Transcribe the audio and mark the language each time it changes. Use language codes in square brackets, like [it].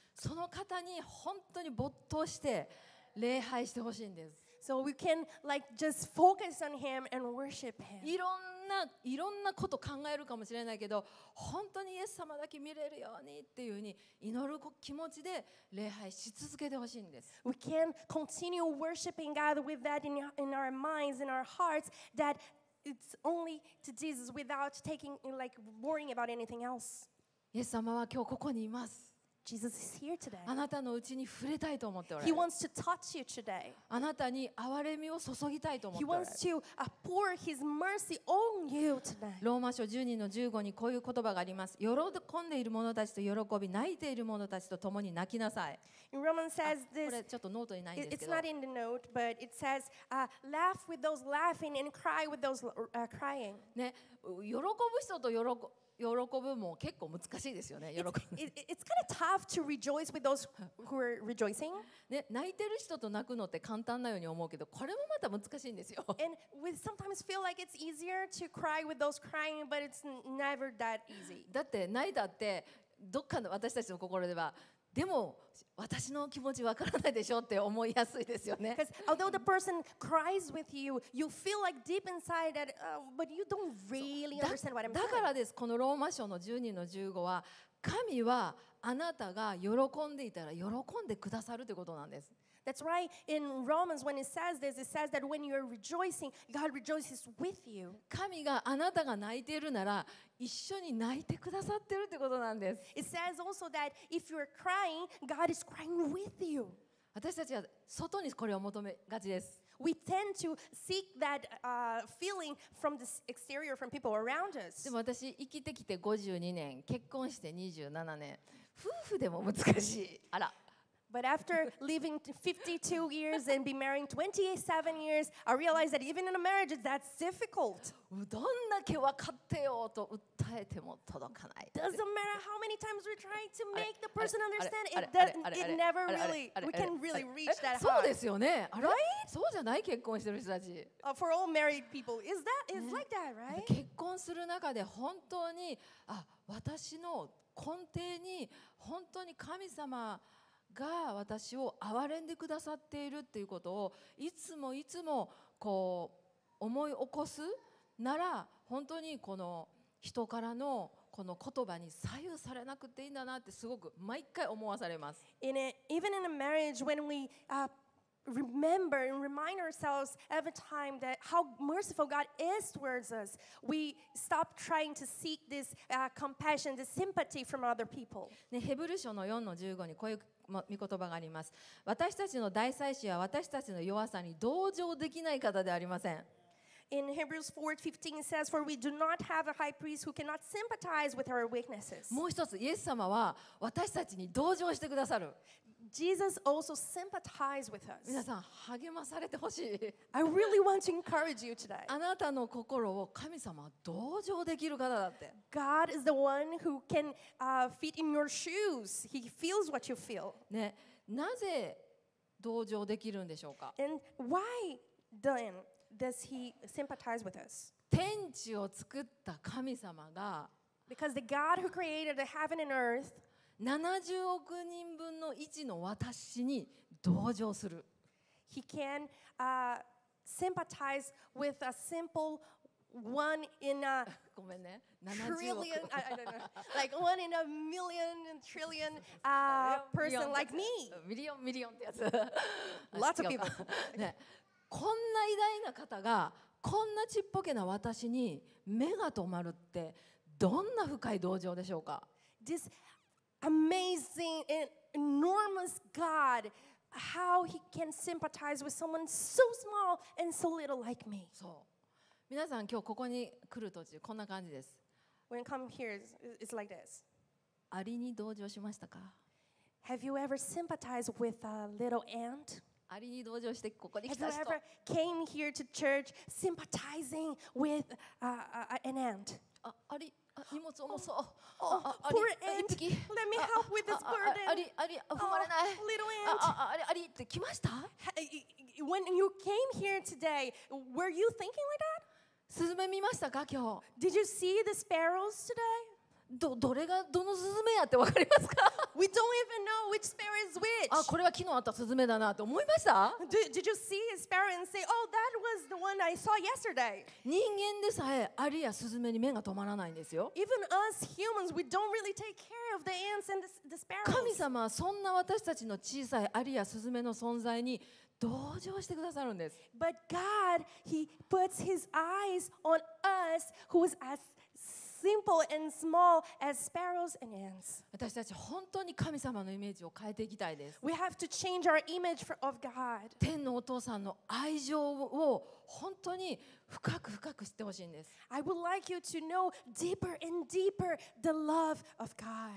[ja] その方に本当に没頭して礼拝してほしいんです。 [en] So we can like just focus on Him and worship Him. [ja] いろんなこと考えるかもしれないけど、本当にイエス様だけ見れるようにっていうふうに祈る気持ちで礼拝し続けてほしいんです。 [en] We can continue worshiping God with that in our minds, in our hearts, that. It's only to Jesus without taking like worrying about anything else. [ja] イエス様は今日ここにいます。 [en] Jesus is here today. [ja] あなたのうちに触れたいと思っておられ [en] る。He wants to touch you today. [ja] あなたに憐れみを注ぎたいと思ってお [en] られる。He wants to pour His mercy on you today. [ja] ローマ書12の15にこういう言葉があります。喜んでいる者たちと喜び、泣いている者たちと共に泣きなさい。 [en] Romans says this. [ja] これちょっとノートにないんですけど。 [en] It's not in the note, but it says, laugh with those laughing and cry with those crying. [ja] ね、喜ぶ人と喜ぶも結構難しいですよね。 [en] It's kind of tough to rejoice with those who are rejoicing. [ja] ね、泣いてる人と泣くのって簡単なように思うけど、これもまた難しいんですよ。 [en] And we sometimes feel like it's easier to cry with those crying, but it's never that easy. [ja] だって泣いたってどっかの私たちの心では。でも私の気持ちわからないでしょって思いやすいですよね。 [en] Because although the person cries with you, you feel like deep inside that, but you don't really understand what I'm saying. [ja] だからです。このローマ書の12の15は、神はあなたが喜んでいたら喜んでくださるということなんです。 [en] That's right. In Romans, when it says this, it says that when you are rejoicing, God rejoices with you. [ja] 神があなたが泣いているなら、一緒に泣いてくださっているということなんです。 [en] It says also that if you are crying, God is crying with you. [ja] 私たちは外にこれを求めがちです。 [en] We tend to seek that feeling from the exterior, from people around us. [ja] でも私生きてきて52年、結婚して27年、夫婦でも難しい。あら。 [en] But after living 52 years and be married 27 years, I realized that even in a marriage, that's difficult. Doesn't matter how many times we try to make the person understand, it never really, we can really reach that heart. [ja] そうですよね。 [en] Right? [ja] そうじゃない結婚してる人たち。 [en] For all married people, is like that, right? [ja] 結婚する中で本当に、私の根底に本当に神様が私を憐れんでくださっているっていうことをいつもいつもこう思い起こすなら本当にこの人からのこの言葉に左右されなくていいんだなってすごく毎回思わされます。 [en] In it, even in a marriage, when we remember and remind ourselves every time that how merciful God is towards us, we stop trying to seek this compassion, this sympathy from other people. [ja] ね、ヘブル書の4の15にこういう御言葉があります。私たちの大祭司は私たちの弱さに同情できない方ではありません。 [en] In Hebrews 4:15 it says, For we do not have a high priest who cannot sympathize with our weaknesses. [ja] もう一つ、イエス様は私たちに同情してくださる。 [en] Jesus also sympathized with us. [ja] 皆さん、励まされてほしい。 [en] I really want to encourage you today. [ja] あなたの心を神様は同情できる方だって。 [en] God is the one who can fit in your shoes. He feels what you feel. [ja] ね、なぜ同情できるんでしょうか。 [en] And why then does he sympathize with us? [ja] 天地を作った神様が、 [en] Because the God who created the heaven and earth [ja] 70億人分の一の私に同情する。 [en] He can sympathize with a simple one in a [ja] ごめんね、 [en] trillion, like one in a million and trillion person like me. Million, million [ja] ってやつ。 [en] Lots of people. [ja] ね。こんな偉大な方がこんなちっぽけな私に目が止まるってどんな深い同情でしょうか。 [en] This amazing and enormous God, how he can sympathize with someone so small and so little like me. [ja] そう。皆さん今日ここに来る途中こんな感じです。 [en] When you come here, it's like this. [ja] アリに同情しましたか。 [en] Have you ever sympathized with a little ant? [ja] アリに同情してここに来た [en] 人。 Have you ever came here to church sympathizing with an ant? [ja] アリ、荷物重そう。 [en] Poor ant, let me help with this burden. [ja] アリ、アリ、踏まれない。 [en] Little ant. [ja] アリ、アリって来ました？ [en] When you came here today, were you thinking like that? [ja] スズメ見ましたか今日？ [en] Did you see the sparrows today? [ja] どれがどのスズメやってわかりますか。 [en] We don't even know which sparrow is which. [ja] あ、これは昨日あったスズメだなと思いました。 [en] Did you see a sparrow and say, "Oh, that was the one I saw yesterday"? [ja] 人間でさえアリやスズメに目が止まらないんですよ。 [en] Even us humans, we don't really take care of the ants and the sparrows. [ja] 神様はそんな私たちの小さいアリやスズメの存在に同情してくださるんです。 [en] But God, He puts His eyes on us, who is asSimple and small as sparrows and ants. [ja] 私たち本当に神様のイメージを変えていきたいです。 [en] We have to change our image of God. [ja] 天のお父さんの愛情を本当に深く深く知ってほしいんです。 [en] I would like you to know deeper and deeper the love of God.